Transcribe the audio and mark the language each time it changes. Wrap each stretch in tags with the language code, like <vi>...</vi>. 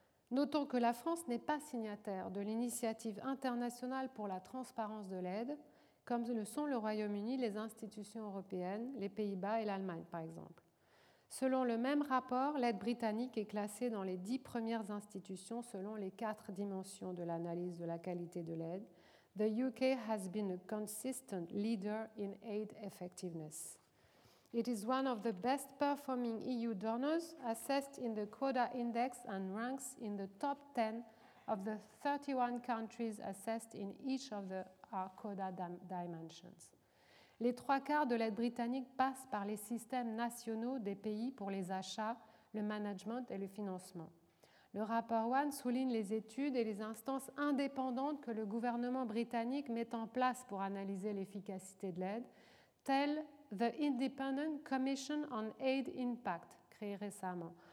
<fr>Notons que la France n'est pas signataire de l'initiative internationale pour la transparence de l'aide, comme le sont le Royaume-Uni, les institutions européennes, les Pays-Bas et l'Allemagne, par exemple. Selon le même rapport, l'aide britannique est classée dans les 10 premières institutions selon les 4 dimensions de l'analyse de la qualité de l'aide.</fr> <en>The UK has been a consistent leader in aid effectiveness. It is one of the best performing EU donors assessed in the Quoda Index and ranks in the top 10 of the 31 countries assessed in each of the Quoda dimensions.</en> <fr>Les 3/4 de l'aide britannique passent par les systèmes nationaux des pays pour les achats, le management et le financement. Le rapport One souligne les études et les instances indépendantes que le gouvernement britannique met en place pour analyser l'efficacité de l'aide, telles The Independent Commission on Aid Impact, créé récemment.</fr>